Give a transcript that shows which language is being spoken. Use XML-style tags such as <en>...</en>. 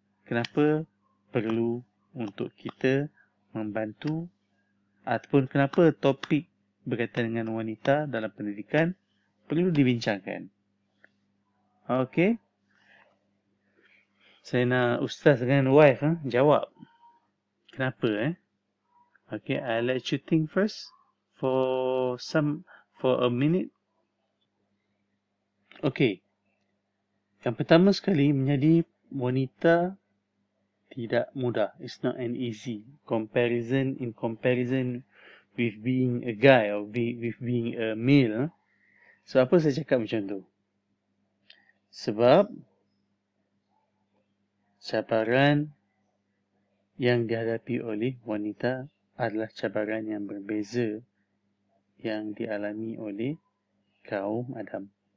<ms>Kenapa perlu untuk kita membantu ataupun kenapa topik berkaitan dengan wanita dalam pendidikan perlu dibincangkan. Okay. Saya nak ustaz dengan wife jawab. Kenapa eh?</ms> <en>Okay, I'll let you think first for a minute. Okay.</en> <ms>Yang pertama sekali, menjadi wanita tidak mudah.</ms> <en>It's not an easy comparison in comparison with being a guy or with being a male.</en> <ms>So, apa saya cakap macam tu? Sebab cabaran yang dihadapi oleh wanita adalah cabaran yang berbeza yang dialami oleh kaum Adam.</ms>